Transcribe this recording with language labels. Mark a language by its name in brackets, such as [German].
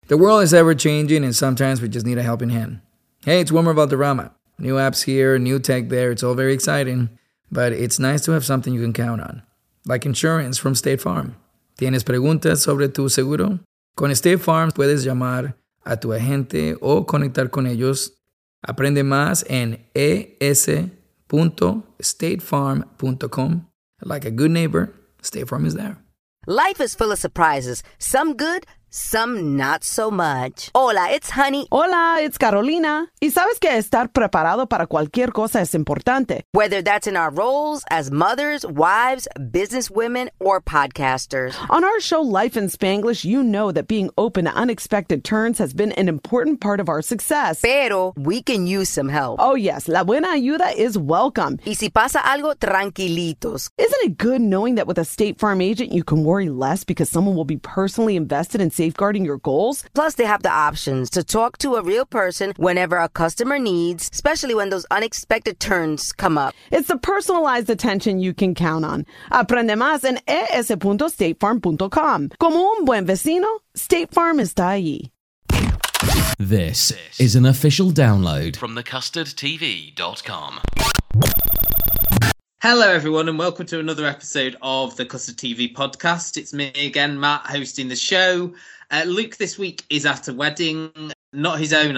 [English] The world is ever-changing, and sometimes we just need a helping hand. Hey, it's Wilmer Valderrama. New apps here, new tech there, it's all very exciting. But it's nice to have something you can count on, like insurance from State Farm. [Spanish] ¿Tienes preguntas sobre tu seguro? Con State Farm puedes llamar a tu agente o conectar con ellos. Aprende más en es.statefarm.com. [English] Like a good neighbor, State Farm is there. Life is full of surprises. Some good, some not so much. Hola, it's Honey. Hola, it's Carolina. [Spanish] Y sabes que estar preparado para cualquier cosa es importante. [English] Whether that's in our roles as mothers, wives, businesswomen, or podcasters. On our show, Life in Spanglish, you know that being open to unexpected turns has been an important part of our success. Pero we can use some help. Oh, yes. [Spanish] La buena ayuda [English] is welcome. [Spanish] Y si pasa algo, tranquilitos. [English] Isn't it good knowing that with a State Farm agent, you can worry less because someone will be personally invested in safeguarding your goals? Plus, they have the options to talk to a real person whenever a customer needs, especially when those unexpected turns come up. It's the personalized attention you can count on. [Spanish] Aprende más en es.statefarm.com. Como un buen vecino, State Farm está allí. [English] This is an official download from thecustardtv.com. Hello, everyone, and welcome to another episode of the Custard TV podcast. It's me again, Matt, hosting the show. Luke this week is at a wedding, not his own.